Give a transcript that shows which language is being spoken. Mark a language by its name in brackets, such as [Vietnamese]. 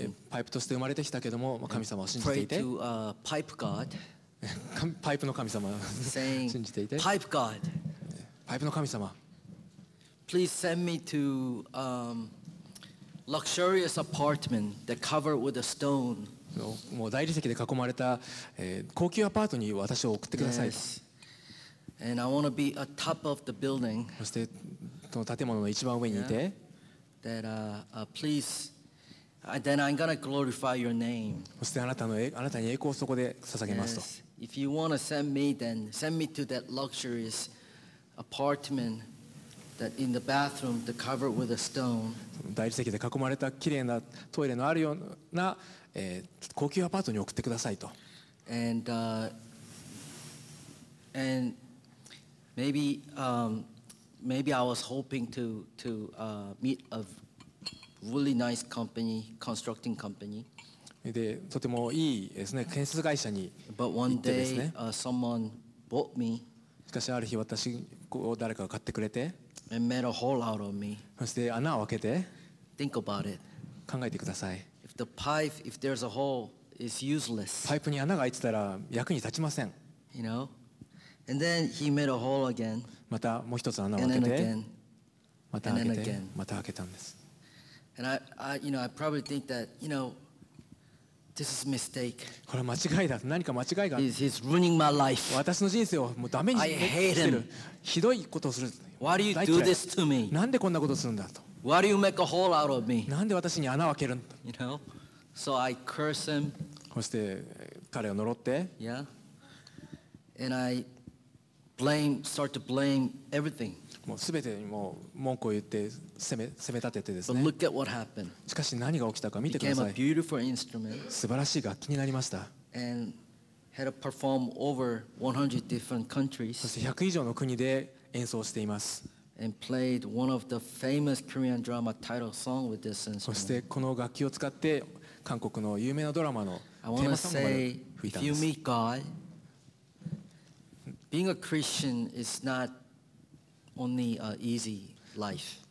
[Japanese] パイプとして生まれてきたけども、まあ、神様を信じていて。 [English] Pray to pipe God. [Japanese] パイプの神様を信じていて。 [English] Pipe God. [Japanese] パイプの神様。 [English] Please send me to luxurious apartment that covered with a stone. [Japanese] もう大理石で囲まれた、高級アパートに私を送ってください。 [English] Yes. And I want to be a top of the building. [Japanese] そしてその建物の一番上にいて。 [English] Yeah. That please, then I'm gonna glorify your name. [Japanese] そしてあなたに栄光をそこで捧げますと。 [English] Yes. If you want to send me, then send me to that luxurious apartment. That in the bathroom, the cover with a stone. [Japanese] 大理石で囲まれた綺麗なトイレのあるような、高級アパートに送ってくださいと。 [English] And maybe I was hoping to meet a really nice company, constructing company. [Japanese] でとてもいいですね建設会社に行ってですね。 [English] But one day, someone bought me. [Japanese] しかしある日私を誰かが買ってくれて。 [English] And made a hole out of me. [Japanese] そして穴を開けて。 [English] Think about it. [Japanese] 考えてください。 [English] If the pipe, if there's a hole, it's useless. [Japanese] パイプに穴が開いてたら役に立ちません。 [English] You know? And then he made a hole again. [Japanese] またもう一つ穴を開けて。 [English] And then again. [Japanese] また開けたんです。 [English] And I, you know, I probably think that, you know, this is a mistake. [Japanese] これは間違いだ。何か間違いが。 [English] He's ruining my life. [Japanese] 私の人生をもうダメにしてる。 [English] I hate him. [Japanese] ひどいことをする。 [English] Why do you do this to me? [Japanese] なんでこんなことするんだと。 [English] Why do you make a hole out of me? [Japanese] なんで私に穴を開けるんだ。 [English] You know? So I curse him. [Japanese] そして彼を呪って。 [English] Yeah. And I start to blame everything. [Japanese] もう全てにもう文句を言って責め立ててですね。 [English] But look at what happened. [Japanese] しかし何が起きたか見てください。 [English] Became a beautiful instrument. [Japanese] 素晴らしい楽器になりました。 [English] And had performed over 100 different countries. [Japanese] そして100以上の国で演奏しています。 [English] And played one of the famous Korean drama title song with this instrument. [Japanese] そしてこの楽器を使って韓国の有名なドラマのテーマソングまで吹いたんです。 [English] If you meet God, being a Christian is not only an easy life.